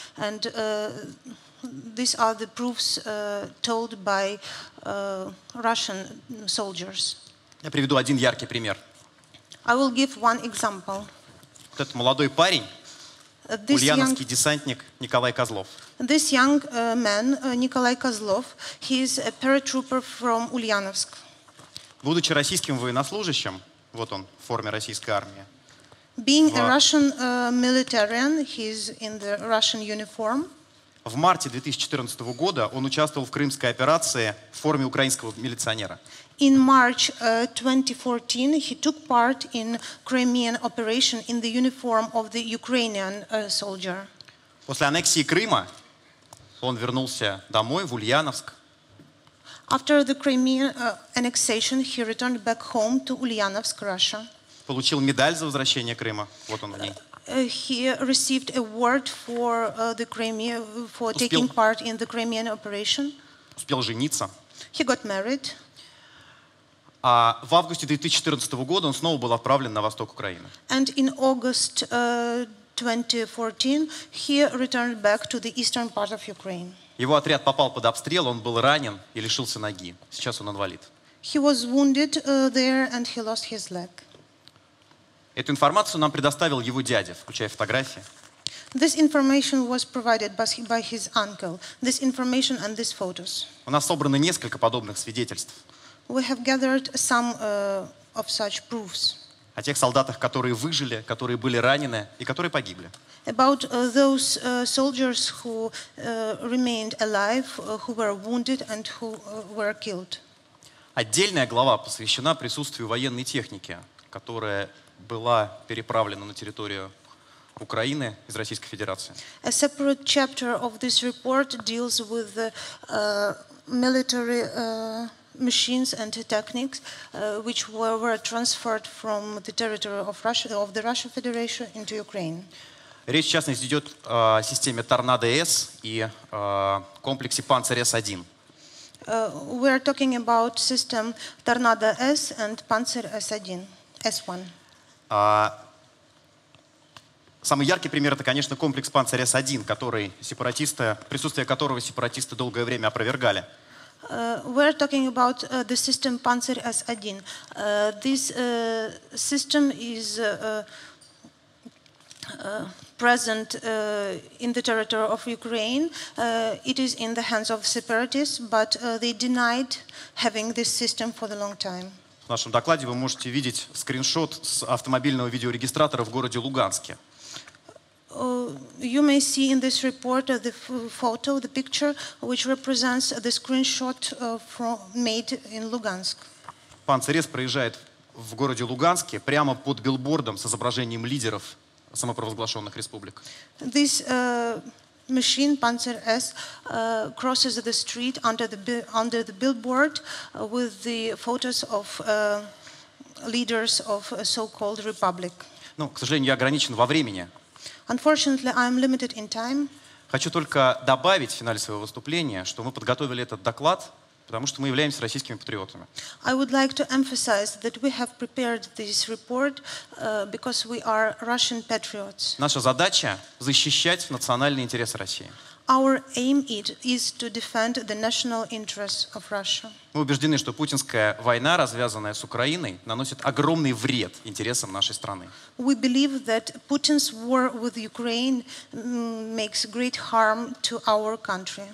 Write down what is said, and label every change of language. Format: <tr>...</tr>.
<en>And these are the proofs told by Russian soldiers.</en> <ru>Я приведу один яркий пример.</ru> <en>I will give one example.</en> <ru>Вот этот молодой парень, ульяновский десантник Николай Козлов.</ru> <en>This young man, Николай Козлов, he is a paratrooper from Ульяновск.</en> <ru>Будучи российским военнослужащим, вот он, в форме российской армии.</ru> <en>Being a Russian military, he is in the Russian uniform.</en> <ru>В марте 2014 года он участвовал в крымской операции в форме украинского милиционера.</ru> <en>In March 2014, he took part in Crimean operation in the uniform of the Ukrainian soldier.</en> <ru>После аннексии Крыма он вернулся домой, в Ульяновск.</ru> <en>After the Crimean annexation, he returned back home to Ульяновск, Russia.</en> <ru>Получил медаль за возвращение Крыма. Вот он в ней.</ru> <en>He received award for the Crimea, for</en> <ru>успел,</ru> <en>taking part in the Crimean operation.</en> <ru>Успел жениться.</ru> <en>He got married.</en> <ru>В августе 2014 года он снова был отправлен на восток Украины.</ru> <en>And in August 2014 he returned back to the eastern part of Ukraine.</en> <ru>Его отряд попал под обстрел, он был ранен и лишился ноги. Сейчас он инвалид.</ru> <en>He was wounded there and he lost his leg.</en> <ru>Эту информацию нам предоставил его дядя, включая фотографии.</ru> <en>This information was provided by his uncle. This information and these photos.</en> <ru>У нас собрано несколько подобных свидетельств.</ru> <en>We have gathered some of such proofs.</en> <ru>О тех солдатах, которые выжили, которые были ранены и которые погибли.</ru> <en>About those soldiers who remained alive, who were wounded and who were killed.</en> <ru>Отдельная глава посвящена присутствию военной техники, которая была переправлена на территорию Украины из Российской Федерации.</ru> <en>A separate chapter of this report deals with the military machines and techniques which were transferred from the territory of Russia, of the Russian Federation, into Ukraine.</en> <ru>Речь, в частности, идет о системе Торнадо-С и комплексе Панцирь-С1.</ru> <en>We are talking about system Торнадо-С and Панцирь-С1, S1.</en> <ru>Самый яркий пример – это, конечно, комплекс «Панцирь-С1», который сепаратисты, присутствие которого сепаратисты долгое время опровергали.</ru> <en>We're talking about the system «Панцирь-С1». This system is present in the territory of Ukraine. It is in the hands of separatists, but they denied having this system for a long time.</en> <ru>В нашем докладе вы можете видеть скриншот с автомобильного видеорегистратора в городе Луганске.</ru> <en>You may see in this report the photo, the picture, which represents the screenshot from, made in Lugansk.</en> <ru>Панцирь-С проезжает в городе Луганске прямо под билбордом с изображением лидеров самопровозглашенных республик.</ru> <en>This machine, Panzer-S, crosses the street under the billboard with the photos of leaders of a so-called republic.</en> <ru>Ну, к сожалению, я ограничен во времени.</ru> <en>Unfortunately, I am limited in time.</en> <ru>Хочу только добавить в финале своего выступления, что мы подготовили этот доклад, потому что мы являемся российскими патриотами.</ru> <en>I would like to emphasize that we have prepared this report because we are Russian patriots.</en> <ru>Наша задача – защищать национальные интересы России.</ru> <en>Our aim is to defend the national interests of Russia.</en> <ru>Мы убеждены, что путинская война, развязанная с Украиной, наносит огромный вред интересам нашей страны.</ru> <en>We believe that Putin's war with Ukraine makes great harm to our country.</en>